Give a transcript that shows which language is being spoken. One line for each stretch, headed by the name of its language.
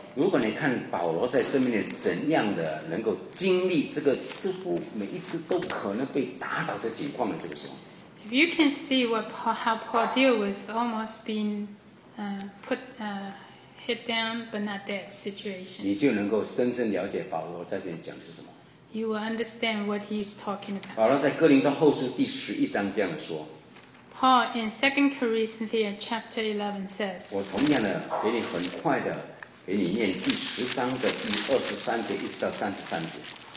Chinese: 如果你看保罗在生命里怎样的能够经历这个似乎每一次都可能被打倒的情况的这个时候
English: If you can see what Paul, how Paul deal with almost being hit down but not dead situation,
Chinese: 你就能够深深了解保罗在这里讲的是什么
English: you will understand what he's talking about.
Chinese: 保罗在哥林多后书第十一章这样说。
English: Paul in 2 Corinthians chapter 11 says,
Chinese: 我同样的给你很快的给你念第十章的第二十三节一直到三十三节。